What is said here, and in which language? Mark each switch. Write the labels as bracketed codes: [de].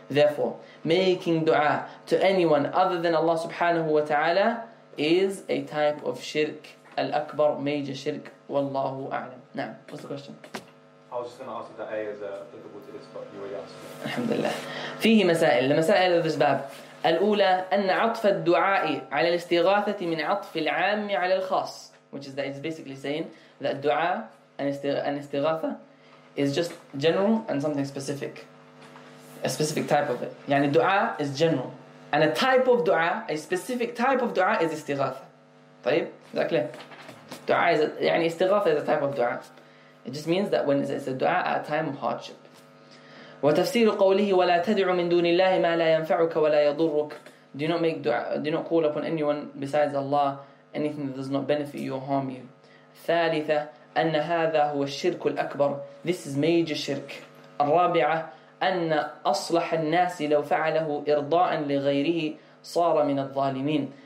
[en] Therefore, making dua to anyone other than Allah subhanahu wa ta'ala is a type of shirk, al-akbar, major shirk, wallahu a'lam. Now, what's the question? I was just going to ask if that ayah is applicable to this, but you already asked me. Alhamdulillah. [ar] فيه مسائل, المسائل [en] of this باب. [ar] الأولى أن عطف الدعاء على الاستغاثة من عطف العام على الخاص. [en] Which is that it's basically saying that dua and istighatha is just general and something specific. A specific type of it. [ar] يعني دعاء [en] is general. And a type of dua, a specific type of dua is istighatha. [ar] طيب؟ [en] Is that clear? Dua is a, [ar] يعني [en] istighatha is a type of dua. It just means that when it's a dua at a time of hardship. [ar] وتفسير قوله ولا تدع من دون الله ما لا ينفعك ولا يضرك. [en] Do not make dua, do not call upon anyone besides Allah anything that does not benefit you or harm you. [ar] ثالثة أن هذا هو الشرك الأكبر. [en] This is major shirk. [ar] الرابعة أن أصلح الناس لو فعله إرضاء لغيره صار من الظالمين.